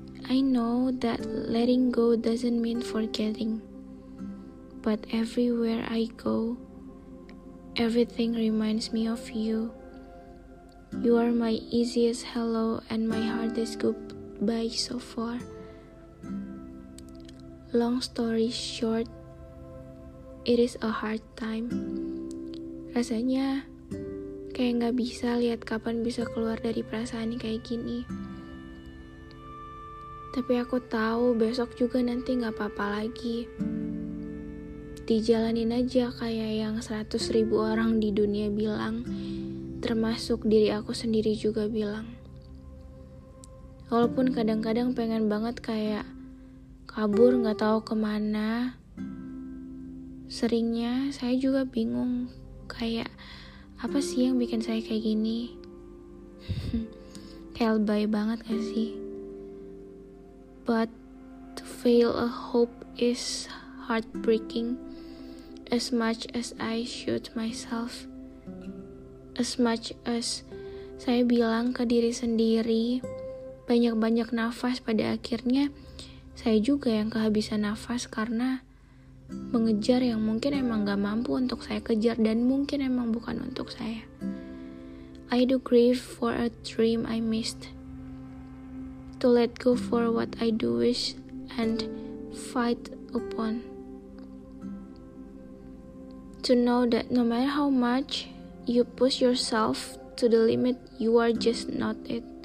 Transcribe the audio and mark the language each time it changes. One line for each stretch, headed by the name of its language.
English: I know that letting go doesn't mean forgetting, but everywhere I go, everything reminds me of you. You are my easiest hello and my hardest goodbye so far. Long story short, it is a hard time.
Indonesian: Rasanya kayak gak bisa lihat kapan bisa keluar dari perasaan kayak gini. Tapi aku tahu besok juga nanti gak apa-apa lagi. Dijalanin aja kayak yang 100.000 orang di dunia bilang, termasuk diri aku sendiri juga bilang. Walaupun kadang-kadang pengen banget kayak kabur gak tahu kemana. Seringnya saya juga bingung kayak, apa sih yang bikin saya kayak gini? Lebay banget gak sih?
English: But to fail a hope is heartbreaking. As much as I shoot myself. As much as
Indonesian: saya bilang ke diri sendiri, banyak-banyak nafas, pada akhirnya saya juga yang kehabisan nafas karena mengejar yang mungkin emang gak mampu untuk saya kejar dan mungkin emang bukan untuk saya.
English: I do grieve for a dream I missed. To let go for what I do wish and fight upon. To know that no matter how much you push yourself to the limit, you are just not it.